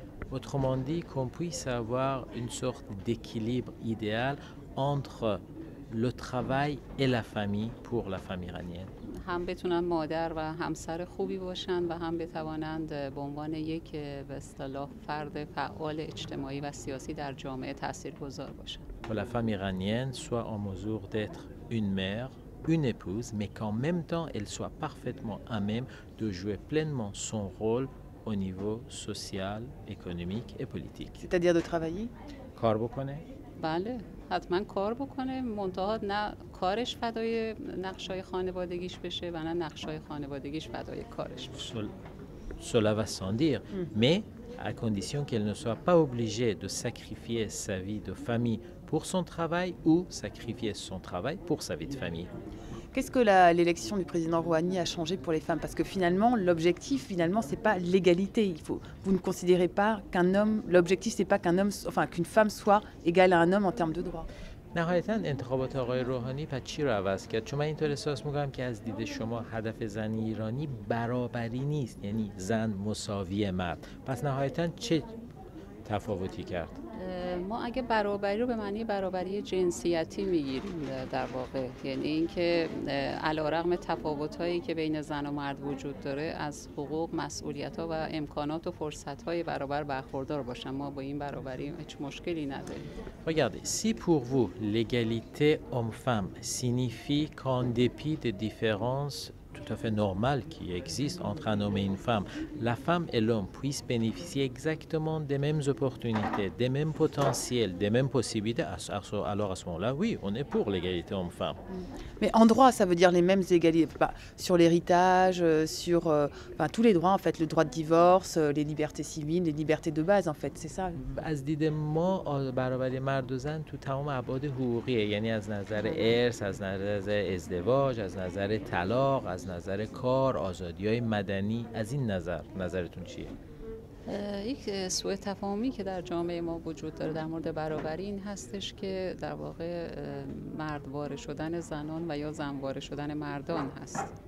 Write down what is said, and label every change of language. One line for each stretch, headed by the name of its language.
French: Autrement dit, qu'on puisse avoir une sorte d'équilibre idéal entre le travail et la famille pour la femme iranienne.
Persian: هم بتونن مادر و همسر خوبی باشن و هم بتوانند به عنوان یک به اصطلاح فرد فعال اجتماعی و سیاسی در جامعه تاثیرگذار باشن.
French: Que la femme iranienne soit en mesure d'être une mère, une épouse, mais qu'en même temps elle soit parfaitement à même de jouer pleinement son rôle au niveau social, économique et politique. C'est-à-dire de travailler?
Persian: کار بکنه؟ بله. حتما کار بکنه منتها نه کارش فدای نقشای خانوادگیش بشه و نه نقشای خانوادگیش فدای کارش بشه
French: cela va sans dire mais à condition qu'elle ne soit pas obligée de sacrifier sa vie de famille pour son travail ou sacrifier son travail pour sa vie de famille. Qu'est-ce que l'élection du président Rouhani a changé pour les femmes? Parce que finalement, l'objectif, finalement, c'est pas l'égalité. Vous ne considérez pas qu'un homme, l'objectif, c'est pas qu'une femme soit égale à un homme en termes de droits.
Persian: نهایتاً انتخابات آقای روحانی پس چی رو عوض کرد؟ چون من اینطور احساس میکنم که از دید شما هدف زن ایرانی برابری نیست، یعنی زن مساوی مرد. پس نهایتاً چه تفاوتی کرد؟ ما اگه برابری رو به معنی برابری جنسیتی میگیریم در واقع، یعنی اینکه علارغم تفاوت‌هایی که بین زن و مرد وجود داره از حقوق، مسئولیت‌ها و امکانات و فرصت‌های برابر برخوردار باشن، ما با این برابری هیچ مشکلی نداریم.
French: Regardez, si pour vous l'égalité homme-femme signifie qu'en dépit des différences tout à fait normales qui existent entre un homme et une femme, la femme et l'homme puissent bénéficier exactement des mêmes opportunités, des mêmes potentiels, des mêmes possibilités, alors à ce moment-là, oui, on est pour l'égalité homme-femme. Mais en droit, ça veut dire les mêmes égalités bah, sur l'héritage, sur enfin, tous les droits, en fait, le droit de divorce, les libertés civiles, les libertés de base, en fait, c'est ça.
Persian: Az dide ma, barabari mard o zan tu tamam abad huquqiye, yani az nazar ers, az nazar ezdevaj, az nazar talaq, از نظر کار، آزادی‌های مدنی، از این نظر، نظرتون چیه؟ یک سوء تفاهمی که در جامعه ما وجود داره در مورد برابری این هستش که در واقع مردواره شدن زنان و یا زنواره شدن مردان هست.